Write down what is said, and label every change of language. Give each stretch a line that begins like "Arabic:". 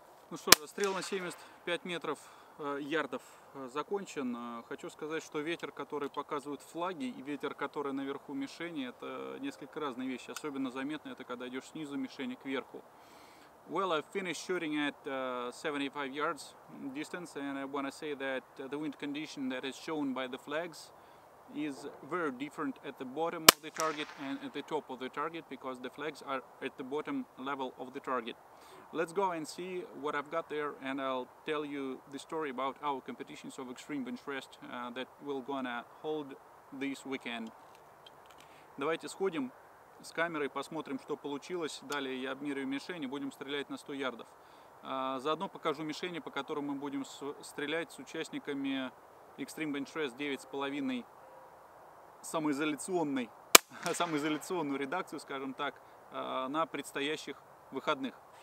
Russian: Ну что ж, стрел на 75 метров ярдов закончен. Хочу сказать, что ветер, который показывают флаги, и ветер, который наверху мишени, это несколько разные вещи. Особенно заметно это, когда идешь снизу мишени кверху.
English: Well, I finished shooting at 75 yards distance, and I want to say that the wind condition that is shown by the flags is very different at the bottom of the target and at the top of the target, because the flags are at the bottom level of the target. Let's go and see what I've got there, and I'll tell you the story about our competitions of extreme bench rest that we're gonna hold this weekend.
Russian: Давайте сходим с камерой, посмотрим, что получилось. Далее я обмеряю мишени, будем стрелять на 100 ярдов. Заодно покажу мишени, по которым мы будем стрелять с участниками Extreme Bench Rest 9.5 самоизоляционную редакцию, скажем так, на предстоящих выходных.